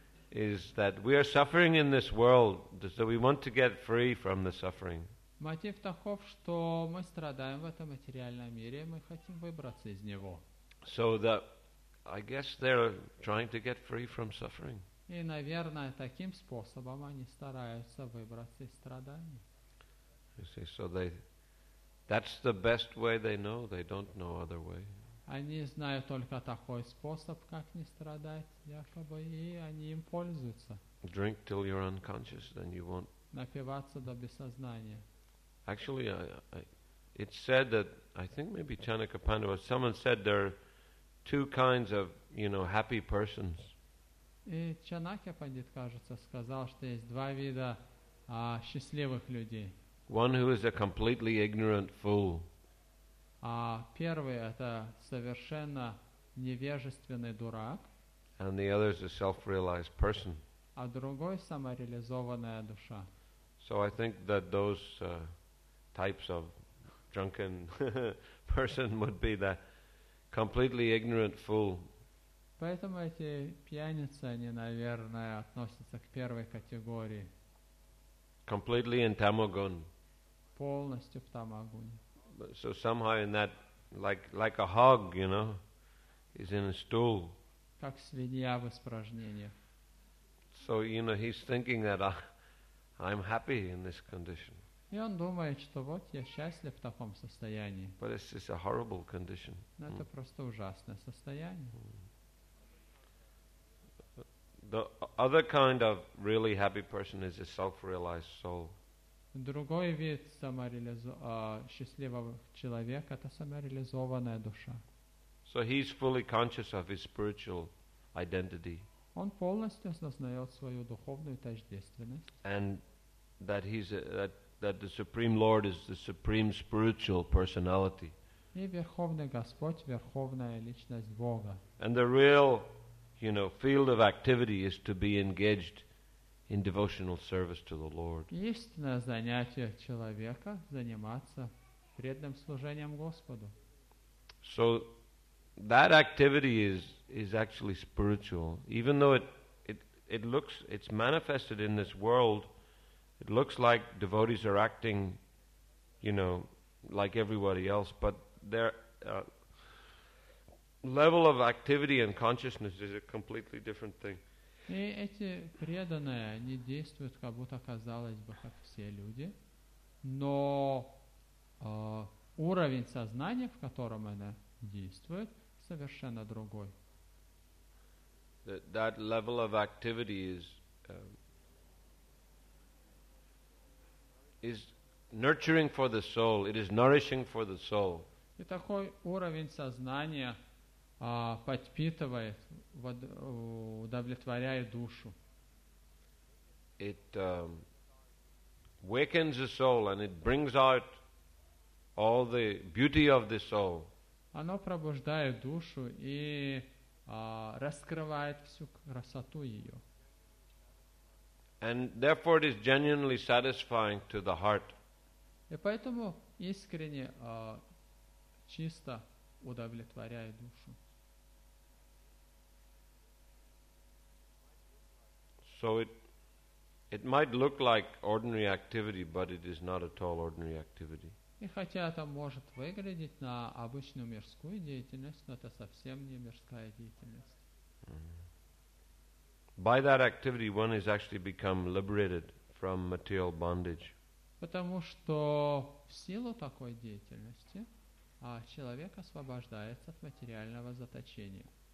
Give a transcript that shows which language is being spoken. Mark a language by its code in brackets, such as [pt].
[en] is that we are suffering in this world, so we want to get free from the suffering. [ru] Мотив таков, что мы страдаем в этом материальном мире, мы хотим выбраться из него. [en] So that, I guess they're trying to get free from suffering. [ru] И, наверное, таким способом они стараются выбраться из страданий. [en] You see, so they, that's the best way they know, they don't know other way. [ru] Они знают только такой способ, как не страдать, якобы, и они им пользуются. [en] Drink till you're unconscious, then you won't. [ru] Напиваться до бессознания. [en] Actually, it's said that, I think maybe Chanaka Pandava, someone said there are two kinds of, you know, happy persons. [ru] И Чанакья Пандит, кажется, сказал, что есть два вида счастливых людей. [en] One who is a completely ignorant fool. [ru] А первый – это совершенно невежественный дурак. [en] And the other is a self-realized person. [ru] А другой – самореализованная душа. [en] So I think that those types of drunken person would be the completely ignorant fool. [ru] Поэтому эти пьяницы, они, наверное, относятся к первой категории. [en] Completely in tamogun. [ru] Полностью в тамагуне. [en] So somehow in that, like a hog, you know, is in a stool. [ru] Как свинья в испражнениях. [en] So, you know, he's thinking that I'm happy in this condition. [ru] И он думает, что вот я счастлив в таком состоянии. [en] But it's just a horrible condition. [ru] Но это просто ужасное состояние. [en] The other kind of really happy person is a self-realized soul. [ru] Другой вид счастливого человека – это самореализованная душа. [en] So he's fully conscious of his spiritual identity. [ru] Он полностью осознает свою духовную тождественность. [en] And that he's that the Supreme Lord is the supreme spiritual personality. [ru] И Верховный Господь – верховная личность Бога. [en] And the real, you know, field of activity is to be engaged in devotional service to the Lord. [ru] Истинное занятие человека – заниматься преданным служением Господу. [en] So that activity is actually spiritual, even though it looks, it's manifested in this world. It looks like devotees are acting, you know, like everybody else, but their level of activity and consciousness is a completely different thing. [ru] И эти преданные, они действуют, как будто казалось бы, как все люди, но уровень сознания, в котором они действуют, совершенно другой. [en] That level of activity is nurturing for the soul. It is nourishing for the soul. [ru] И такой уровень сознания подпитывает, удовлетворяет душу. [en] It wakens the soul and it brings out all the beauty of the soul. [ru] Оно пробуждает душу и раскрывает всю красоту ее. [en] And therefore it is genuinely satisfying to the heart. [ru] И поэтому искренне, чисто удовлетворяет душу. [en] So it might look like ordinary activity, but it is not at all ordinary activity. [ru] И хотя это может выглядеть на обычную мирскую деятельность, но это совсем не мирская деятельность. [en] By that activity, one has actually become liberated from material bondage. [ru] Потому что в силу такой деятельности человек освобождается от материального заточения.